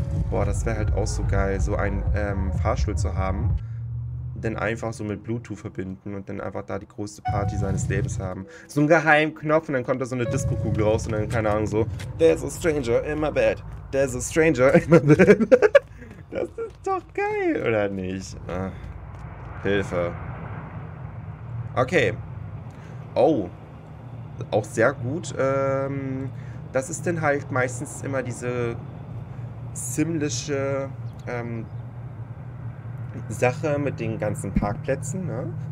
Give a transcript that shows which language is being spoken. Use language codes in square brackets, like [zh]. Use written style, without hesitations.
[de] Boah, das wäre halt auch so geil, so einen Fahrstuhl zu haben. Denn einfach so mit Bluetooth verbinden und dann einfach da die größte Party seines Lebens haben. So ein geheimen Knopf und dann kommt da so eine Disco-Kugel raus und dann, keine Ahnung, so. [en] There's a stranger in my bed. There's a stranger in my bed. [de] Das ist doch geil, oder nicht? Ach, Hilfe. Okay. Oh. Auch sehr gut. Das ist dann halt meistens immer diese ziemliche Sache mit den ganzen Parkplätzen, ne?